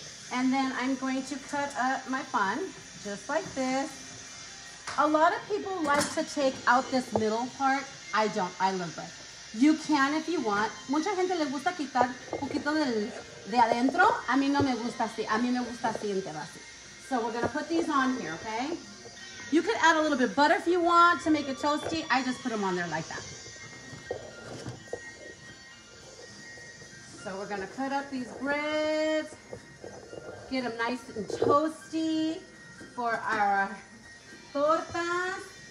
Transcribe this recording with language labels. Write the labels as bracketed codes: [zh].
[en] And then I'm going to cut up my fun just like this. A lot of people like to take out this middle part. I don't. I love it. You can if you want. [es] Mucha gente le gusta quitar poquito de adentro. A mí no me gusta así. A mí me gusta así entero así. [en] So we're gonna put these on here, okay? You could add a little bit of butter if you want to make it toasty. I just put them on there like that. So we're gonna cut up these grids, get them nice and toasty for our tortas.